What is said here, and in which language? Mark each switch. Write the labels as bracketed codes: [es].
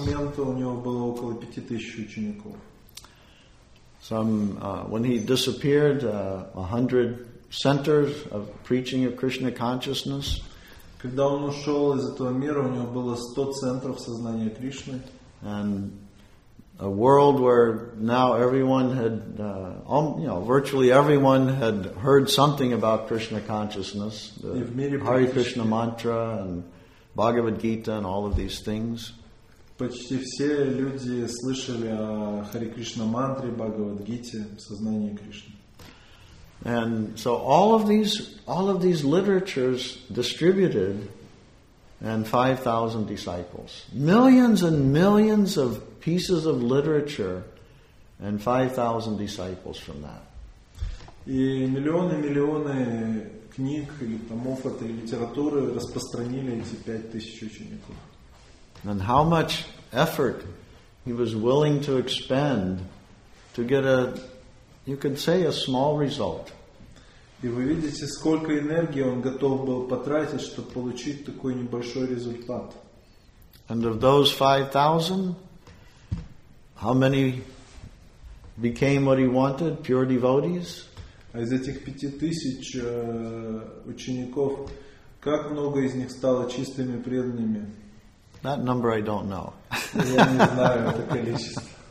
[ru] В тот момент у него было около 5,000 учеников. [en] Some, when he disappeared, 100 centers of preaching of Krishna consciousness. [ru] Когда он ушел из этого мира, у него было 100 центров сознания Кришны. [en] And a world where now everyone had, virtually everyone had heard something about Krishna consciousness. The Hare Krishna mantra and Bhagavad Gita and all of these things. [ru] Почти все люди слышали о Хари Кришна мантре, Бхагавад Гите, сознании Кришны. [en] And so all of these literatures distributed, and 5,000 disciples, millions and millions of pieces of literature, and 5,000 disciples from that. [ru] И миллионы книг или томов этой литературы распространили эти 5,000 учеников. [en] And how much effort he was willing to expend to get a, you could say, a small result. [ru] И вы видите, сколько энергии он готов был потратить, чтобы получить такой небольшой результат. [en] And of those 5,000, how many became what he wanted, pure devotees? [ru] А из этих 5,000 учеников, как много из них стало чистыми преданными? [en] That number I don't know. [ru] Я не знаю это количество.